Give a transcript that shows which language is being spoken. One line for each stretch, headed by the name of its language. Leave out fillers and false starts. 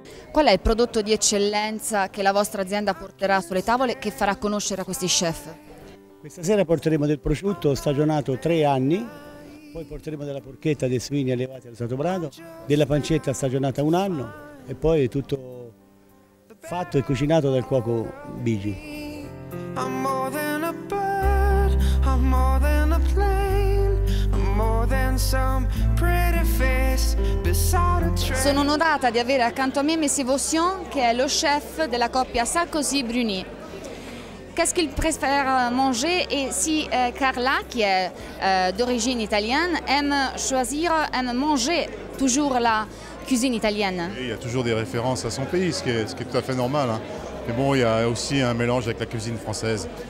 Italian: Qual è il prodotto di eccellenza che la vostra azienda porterà sulle tavole, che farà conoscere a questi chef? Questa sera porteremo del prosciutto stagionato 3 anni, poi porteremo della porchetta dei suini allevati al Sato Brado, della pancetta stagionata 1 anno e poi tutto fatto e cucinato dal cuoco Bigi.
English: I'm more than a bird, I'm more than a plane, I'm more than some pretty face.
Italian: Sono onorata di avere accanto a me Monsieur Vaussion, che è lo chef della coppia Sarkozy-Bruni.
French: Qu'est-ce qu'il préfère manger? Et si Carla, qui est d'origine italienne, aime manger toujours la cuisine italienne? Il y a toujours des références à son pays, ce qui est tout à fait normal. Mais bon, il y a aussi un mélange avec la cuisine française.